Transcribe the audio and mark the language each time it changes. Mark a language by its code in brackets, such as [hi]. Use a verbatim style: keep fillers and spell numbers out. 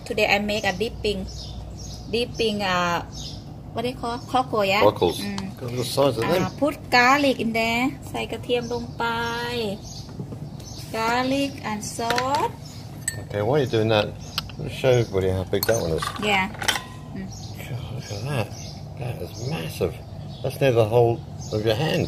[en] Today I make a dipping, dipping uh what do you call cocoa? Cockles. Mm. The size of them. Uh, put garlic in there. [th] ใส่กระเทียมลงไป [en] garlic and salt. Okay, why are you doing that? Let's show everybody how big that one is. Yeah. Mm. God, look at that. That is massive. That's near the whole of your hand.